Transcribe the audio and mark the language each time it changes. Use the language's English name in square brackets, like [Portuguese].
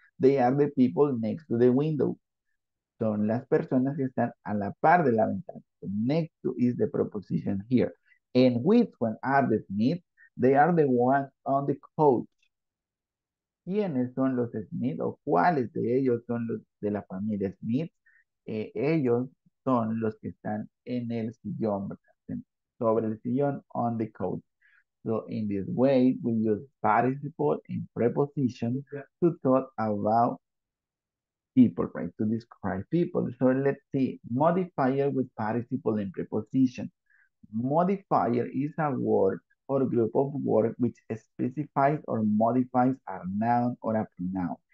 [English] They are the people next to the window. [Spanish] Son las personas que están a la par de la ventana. [English] So next to is the preposition here. And which one are the Smith? They are the ones on the couch. [Spanish] ¿Quiénes son los Smith? ¿O cuáles de ellos son los de la familia Smith? Ellos son los que están en el sillón, ¿verdad? Sobre el sillón, [English] on the couch. So in this way, we use participle and preposition to talk about people, right? To describe people. So let's see, modifier with participle and preposition. Modifier is a word or group of words which specifies or modifies a noun or a pronoun.